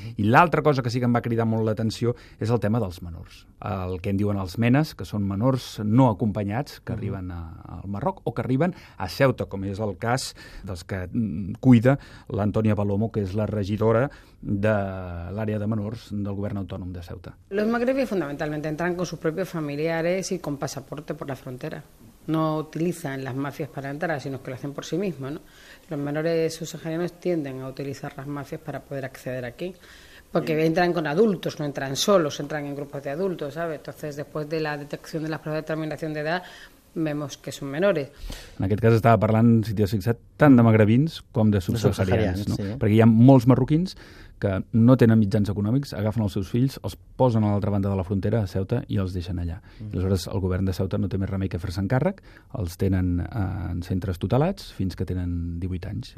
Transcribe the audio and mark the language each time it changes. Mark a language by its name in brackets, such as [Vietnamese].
[Catalan] I l'altra cosa que sí que em va cridar molt l'atenció és el tema dels menors. El que en diuen els menes, que són menors no acompanyats que arriben al Marroc o que arriben a Ceuta, com és el cas dels que cuida l'Antònia Palomo, que és la regidora de l'àrea de menors del govern autònom de Ceuta. [Spanish] Los magrebis fundamentalmente entran con sus propios familiares y con pasaporte por la frontera. No utilizan las mafias para entrar, sino que lo hacen por sí mismos, ¿no? Los menores subsaharianos tienden a utilizar las mafias para poder acceder aquí, porque entran con adultos, no entran solos, entran en grupos de adultos, ¿sabes? Entonces, después de la detección de las pruebas de determinación de edad, vemos que son menores. [Catalan] En aquest cas estava parlant, si t'hi has fixat, tant de magrebins com de subsaharians, no? Sí. Perquè hi ha molts marroquins que no tenen mitjans econòmics, agafen els seus fills, els posen a l'altra banda de la frontera, a Ceuta, i els deixen allà. I aleshores el govern de Ceuta no té més remei que fer-se'n càrrec, els tenen en centres tutelats fins que tenen 18 anys.